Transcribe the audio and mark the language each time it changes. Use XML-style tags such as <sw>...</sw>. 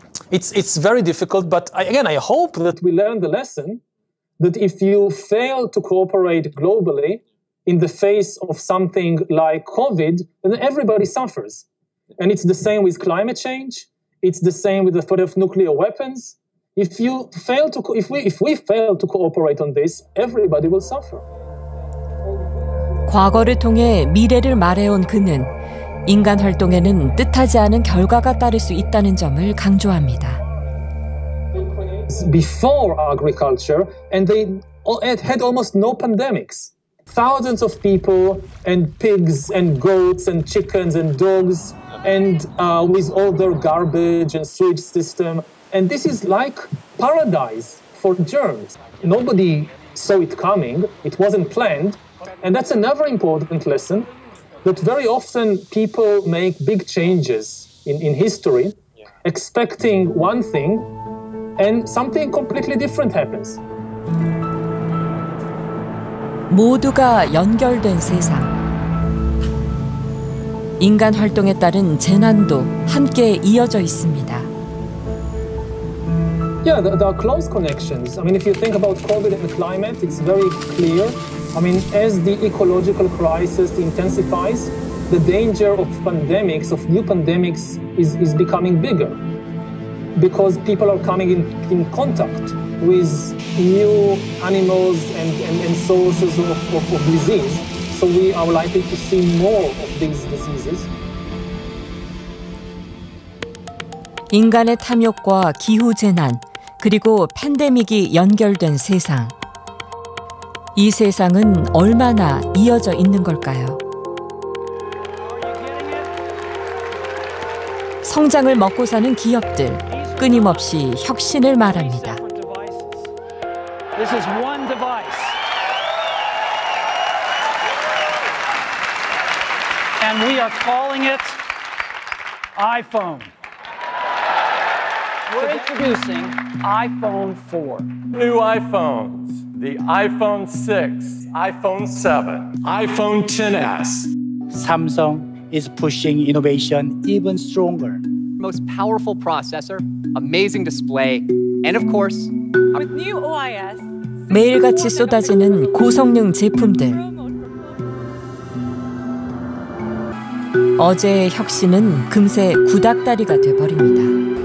<en>It's very difficult, but I hope that we learn the lesson that if you fail to cooperate globally in the face of something like COVID, then everybody suffers. And it's the same with climate change. It's the same with the threat of nuclear weapons. If we fail to cooperate on this, everybody will suffer.</en> <ko>과거를 통해 미래를 말해온 그는 인간 활동에는 뜻하지 않은 결과가 따를 수 있다는 점을 강조합니다.</ko> <en>Before agriculture, and they had almost no pandemics. Thousands of people and pigs and goats and chickens and dogs and with all their garbage and sewage system. And this is like paradise for germs. Nobody saw it coming. It wasn't planned. And that's another important lesson, that very often people make big changes in history, expecting one thing, and something completely different happens.</en> <ko>모두가 연결된 세상. 인간 활동에 따른 재난도 함께 이어져 있습니다.</ko> <en>Yeah, there are close connections. I mean, if you think about COVID and the climate, it's very clear. I mean, as the ecological crisis intensifies, the danger of pandemics, of new pandemics, is becoming bigger. Because people are coming in contact with new animals and sources of disease. So we are likely to see more of these diseases.</en> <ko>인간의 탐욕과 기후 재난, 그리고 팬데믹이 연결된 세상. 이 세상은 얼마나 이어져 있는 걸까요? 성장을 먹고 사는 기업들. 끊임없이 혁신을 말합니다.</ko> <en>This is one device. And we are calling it iPhone. We're introducing iPhone 4. New iPhones. The iPhone 6, iPhone 7, iPhone XS. Samsung is pushing innovation even stronger. Most powerful processor, amazing display, and of course, with new OIS.</en> <ko>매일같이 쏟아지는 고성능 제품들. 어제의 혁신은 금세 구닥다리가 돼버립니다.</ko>